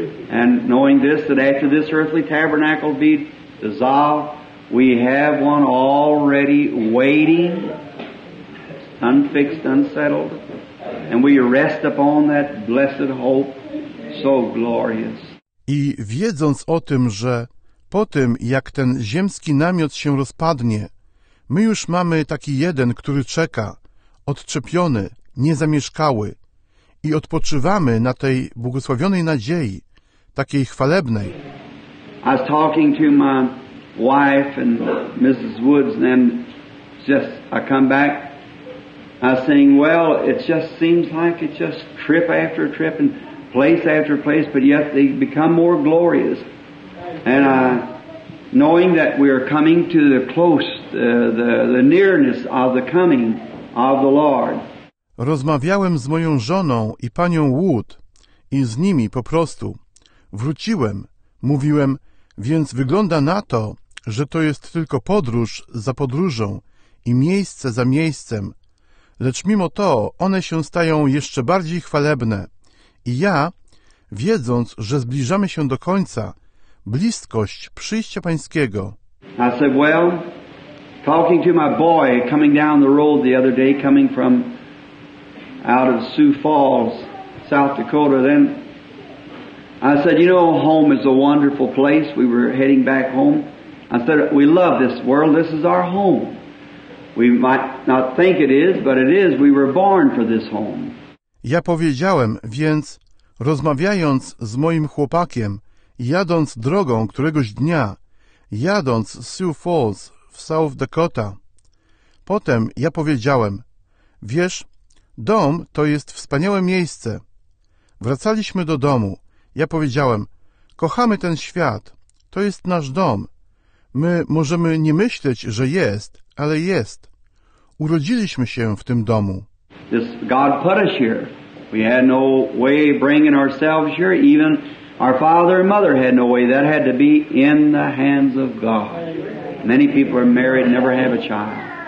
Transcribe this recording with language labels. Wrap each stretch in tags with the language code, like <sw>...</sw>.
<en>And knowing this, that after this earthly tabernacle be dissolved, we have one already waiting, unfixed, unsettled, and we rest upon that blessed hope, so glorious.</en> <pl>I wiedząc o tym, że po tym, jak ten ziemski namiot się rozpadnie, my już mamy taki jeden, który czeka, odczepiony, niezamieszkały, i odpoczywamy na tej błogosławionej nadziei, takiej chwalebnej.</pl> <en>I was talking to my wife and Mrs. Woods, and just I come back, I was saying, well, it just seems like it's just trip after trip and place after place, but yet they become more glorious. And knowing that we are coming to the close, the nearness of the coming of the Lord.</en> <pl>Rozmawiałem z moją żoną i panią Wood i z nimi po prostu. Wróciłem, mówiłem, więc wygląda na to, że to jest tylko podróż za podróżą i miejsce za miejscem. Lecz mimo to one się stają jeszcze bardziej chwalebne. I ja, wiedząc, że zbliżamy się do końca, bliskość przyjścia Pańskiego.</pl> <en>I said, well, talking to my boy coming down the road the other day, coming from out of Sioux Falls, South Dakota, then I said, you know, home is a wonderful place. We were heading back home. I said, we love this world. This is our home. We might not think it is, but it is. We were born for this home.</en> <pl>Ja powiedziałem, więc rozmawiając z moim chłopakiem, jadąc drogą któregoś dnia, jadąc z Sioux Falls w South Dakota. Potem ja powiedziałem, wiesz, dom to jest wspaniałe miejsce. Wracaliśmy do domu. Ja powiedziałem, kochamy ten świat. To jest nasz dom. My możemy nie myśleć, że jest, ale jest. Urodziliśmy się w tym domu.</pl> <en>This God put us here. We had no way of bringing ourselves here, even our father and mother had no way. That had to be in the hands of God. Many people are married, never have a child.</en>